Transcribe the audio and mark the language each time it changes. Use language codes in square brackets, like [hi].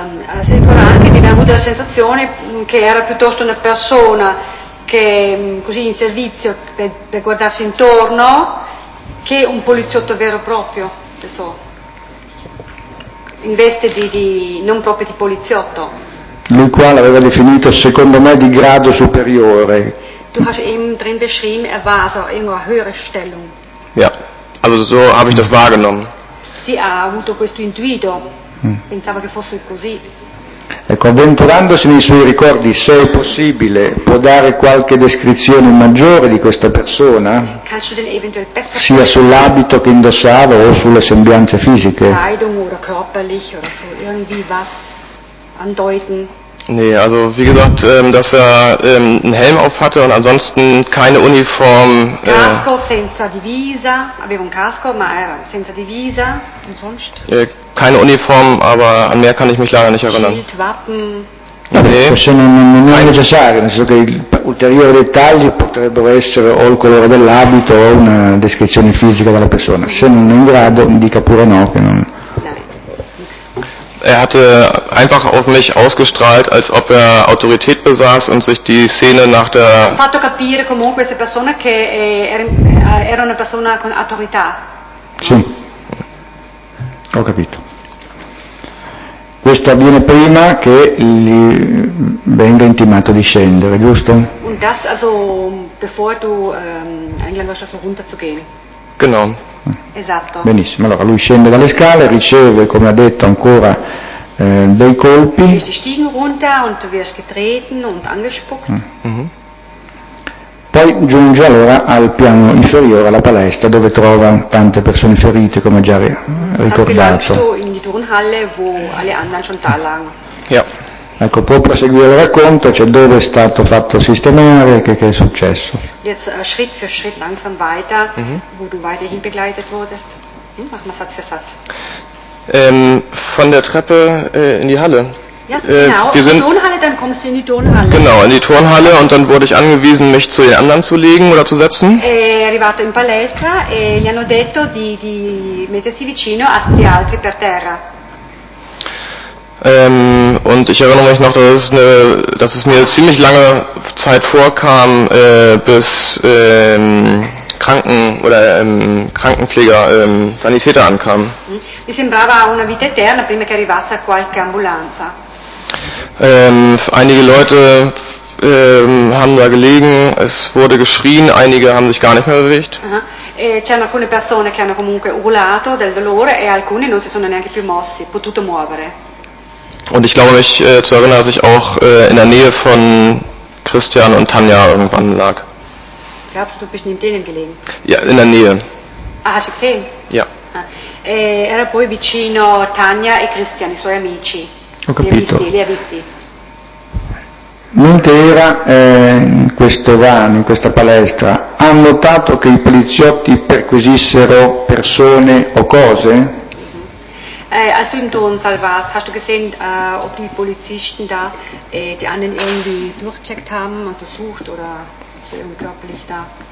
[it] Ricorda anche di aver avuto la sensazione che era piuttosto una persona che così in servizio per guardarsi intorno che un poliziotto vero e proprio, penso, in veste di non proprio di poliziotto. Lui qua l'aveva definito, secondo me, di grado superiore. [de] Du hast eben drin beschrieben, er war also in einer höheren Stellung. Ja, also so habe ich das wahrgenommen. [it] Sie ha avuto questo intuito. Pensava che fosse così. Ecco, avventurandosi nei suoi ricordi, se è possibile, può dare qualche descrizione maggiore di questa persona? [de] Kannst du denn eventuell besser [it] sia sull'abito che indossava o sulle sembianze fisiche? [de] Kleidung oder körperlich oder so irgendwie was andeuten? Nee, also wie gesagt, dass er einen Helm auf hatte und ansonsten keine Uniform. [it] Casco senza divisa, aveva un casco, ma era senza divisa, [de] sonst. Keine Uniform, aber an mehr kann ich mich leider nicht erinnern. Schild, Wappen. [it] Forse non è necessario, nel senso che ulteriori dettagli potrebbero essere o il colore dell'abito o una descrizione fisica della persona. Se non è in grado, dica pure no che non. [de] Er hatte einfach auf mich ausgestrahlt, als ob er Autorität besaß und sich die Szene nach der. [it] Ha fatto capire comunque questa persona che era una persona con autorità. Sì. Ho capito. Questo avviene prima che gli venga intimato di scendere, giusto? [de] Und das also bevor du eingeladen wirst, runterzugehen. Genau. [it] Esatto. Benissimo. Allora lui scende dalle scale, riceve, come ha detto, ancora dei colpi. [de] Die Stiegen runter und wirst getreten und angespuckt. Mm. Mm-hmm. [it] Poi giunge allora al piano inferiore, alla palestra, dove trova tante persone ferite, come già ricordato. [de] In die Turnhalle, wo alle anderen schon da lagen. Ja. [it] Ecco, può proseguire il racconto, cioè dove è stato fatto sistemare, che è successo. [de] Jetzt Schritt für Schritt langsam weiter, mm-hmm. wo du weiterhin begleitet wurdest. Mach mal Satz für Satz. Von der Treppe in die Halle. Ja, genau, wir sind, in die Turnhalle, dann kommst du in die Turnhalle. Genau, in die Turnhalle und dann wurde ich angewiesen, mich zu den anderen zu legen oder zu setzen. [it] Arrivato in palestra e gli hanno detto di mettersi vicino a gli altri per terra. [de] Und ich erinnere mich noch, dass es mir ziemlich lange Zeit vorkam, bis Kranken oder Krankenpfleger, Sanitäter ankamen. [it] Mi sembrava una vita eterna prima che arrivasse qualche ambulanza. [de] Einige Leute haben da gelegen, es wurde geschrien, einige haben sich gar nicht mehr bewegt. [it] C'erano alcune persone che hanno comunque urlato del dolore e alcuni non si sono neanche più mossi, potuto muovere. [de] Und ich glaube mich zu erinnern, dass ich auch in der Nähe von Christian und Tanja irgendwann lag. Glaubst du, du bist neben denen gelegen? Ja, in der Nähe. Ah, hast du gesehen? Ja. [it] Era poi vicino Tanja e Christian, i suoi amici. Ho capito. Li ha visti. Mentre era in questo vano, in questa palestra, ha notato che i poliziotti perquisissero persone o cose? [de] Als du im Turnsaal warst, hast du gesehen, ob die Polizisten da die anderen irgendwie durchcheckt haben, untersucht oder irgendwie körperlich da?